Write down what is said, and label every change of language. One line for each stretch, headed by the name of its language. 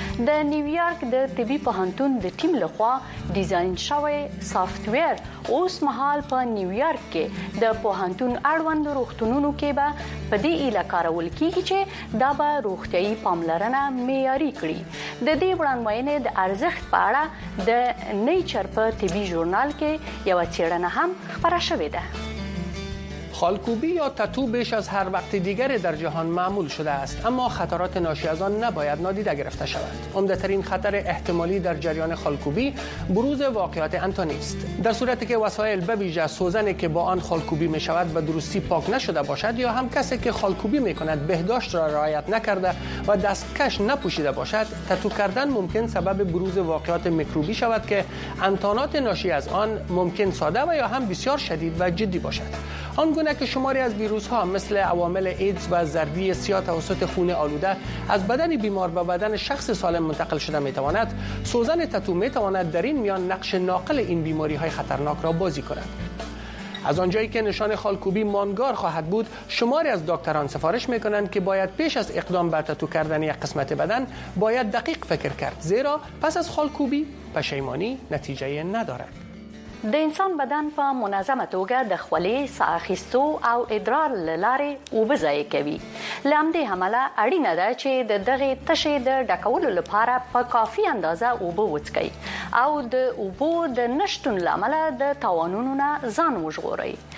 Pashto: د نیویارک د طبي پوهنتون د ټیم لخوا ډیزاین شوی سافټویر اوس مهال په نیویارک کې د پوهنتون اړوند روغتونونو کې به په دې اله کارول کیږي چې دا به روغتیایي پاملرنه معیاري کړي. د دې وړاندوینې د ارزښت په اړه د نیچر په طبي ژورنال کې یوه څیړنه هم خپره شوې ده.
Persian: خالکوبی یا تتو بیش از هر وقت دیگر در جهان معمول شده است، اما خطرات ناشی از آن نباید نادیده گرفته شود. عمدترین خطر احتمالی در جریان خالکوبی بروز واقعات انتانی است. در صورتی که وسایل به ویژه سوزنی که با آن خالکوبی می شود به درستی پاک نشده باشد یا هم کسی که خالکوبی می کند بهداشت را رعایت نکرده و دستکش نپوشیده باشد، تتو کردن ممکن سبب بروز واقعات میکروبی شود که انتانات ناشی از آن ممکن ساده و یا هم بسیار شدید و جدی باشد. آنگونه که شماری از ویروس ها مثل عوامل ایدز و ضربی سیاه توسط خون آلوده از بدن بیمار به بدن شخص سالم منتقل شده می تواند، سوزن تتو می تواند در این میان نقش ناقل این بیماری های خطرناک را بازی کند. از آنجایی که نشان خالکوبی مانگار خواهد بود، شماری از دکتران سفارش میکنند که باید پیش از اقدام به تتو کردن یک قسمت بدن باید دقیق فکر کرد، زیرا پس از خالکوبی پشیمانی نتیجه ندارد.
Pashto: د انسان بدن په منظمه توګه د خولې، ساه اخیستو او ادرار لارې اوبه ضایع کوي. له همدې امله اړینه ده چې د دغې تشې د ډکولو لپاره په کافي اندازه اوبه وڅکئ او د اوبو د نشتون له امله د تاوانونو نه ځان وژغورئ.